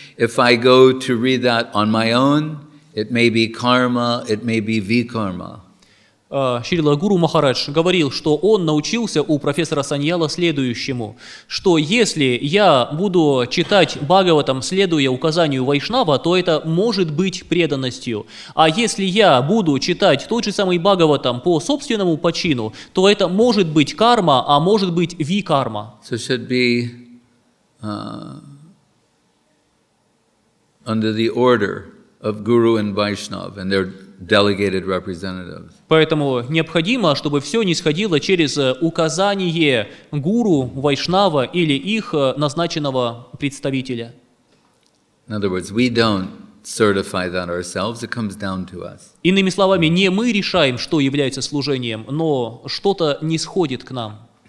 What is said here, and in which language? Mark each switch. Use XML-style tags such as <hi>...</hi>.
<en>If I go to read that on my own, it may be karma, it may be vikarma.</en> <ru>Шрила Гуру Махарадж говорил, что он научился у профессора Саньяла следующему, что если я буду читать Бхагаватам, следуя указанию Вайшнава, то это может быть преданностью. А если я буду читать тот же самый Бхагаватам по собственному почину, то это может быть карма, а может быть викарма.</ru> <en>So should be under the order of Guru and Vaishnav and their delegated representatives.</en> <ru>Поэтому необходимо, чтобы все нисходило через указание гуру, вайшнава или их назначенного представителя.</ru> <en>In other words, we don't certify that ourselves, it comes down to us.</en> <ru>Иными словами, не мы решаем, что является служением, но что-то нисходит к нам.</ru>